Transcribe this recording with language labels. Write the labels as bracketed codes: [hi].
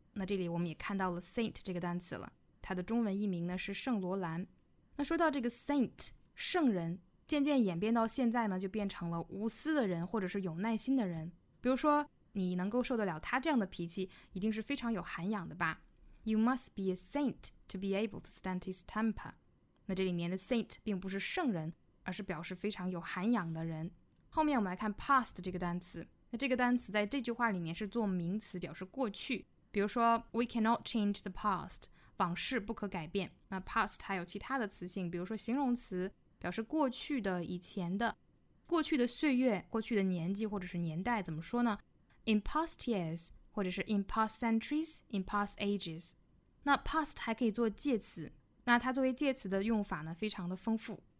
[zh] 那这里我们也看到了 Saint 这个单词了，它的中文译名呢是圣罗兰。那说到这个 Saint 圣人，渐渐演变到现在呢，就变成了无私的人或者是有耐心的人。比如说你能够受得了他这样的脾气，一定是非常有涵养的吧。 [en] You must be a saint to be able to stand his temper。 [zh] 那这里面的 saint 并不是圣人，而是表示非常有涵养的人。后面我们来看 past 这个单词。那这个单词在这句话里面是做名词，表示过去。比如说 [en] We cannot change the past， [zh] 往事不可改变。那 past 还有其他的词性，比如说形容词，表示过去的、以前的，过去的岁月、过去的年纪或者是年代，怎么说呢？ [en] In past years [zh] 或者是 [en] in past centuries in past ages。 [zh] 那 past 还可以做介词，那它作为介词的用法呢非常的丰富。